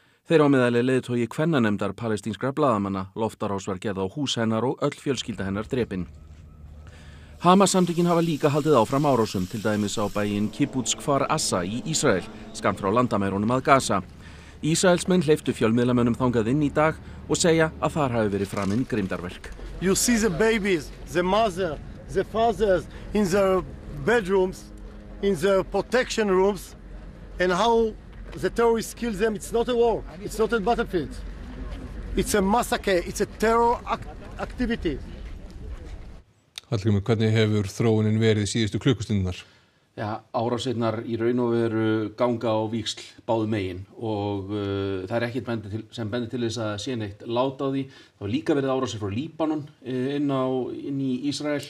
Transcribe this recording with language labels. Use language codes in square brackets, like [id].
[is] Þeir á meðal leiðtogi kvennanefndar palestínskra blaðamanna, loftárás var gerð á hús hennar og öll fjölskylda hennar drepin. Hamas-samtökin hafa líka haldið áfram árásum, til dæmis á bæinn Kibbutz Kfar Assa í Ísrael, skammt frá landamærunum að Gaza. Ísraelsmenn hleyptu fjölmiðlamönnum þangað inn í dag og segja að þar hafi verið framin grimmdarverk. [en] You see the babies, the mother, the fathers in their bedrooms, in their protection rooms, and how the terrorists kill them, it's not a war, it's not a battlefield. It's a massacre, it's a terror activity. [is] Hallgrímur, hvernig hefur þróunin verið síðustu klukkustundirnar? Já, árásirnar í raun og veru ganga á víxl báðu megin og það er ekkert bendir til þess að sé neitt lát á því. Það var líka verið árásir frá Líbanon inn í Ísrael.